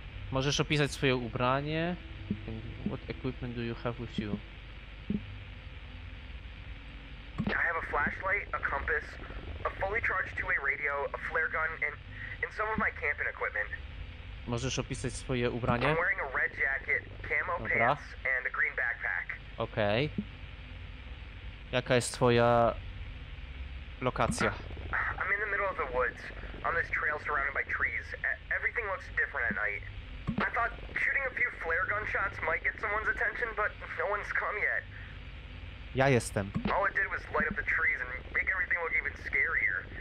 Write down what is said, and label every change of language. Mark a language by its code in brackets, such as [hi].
[pl] Możesz opisać swoje ubranie? [en] What equipment do you have with you? I have a flashlight, a compass, a fully charged two-way radio, a flare gun, and some of my camping equipment. [pl] Możesz opisać swoje ubranie? [en] I'm wearing a red jacket, camo pants, and a green backpack. [pl] Okej. Jaka jest twoja lokacja? [en] I'm in the middle of the woods, on this trail surrounded by trees. Everything looks different at night. I thought shooting a few flare gun shots might get someone's attention, but no one's come yet. [pl] Ja jestem. [en] All it did was light up the trees and make everything look even scarier.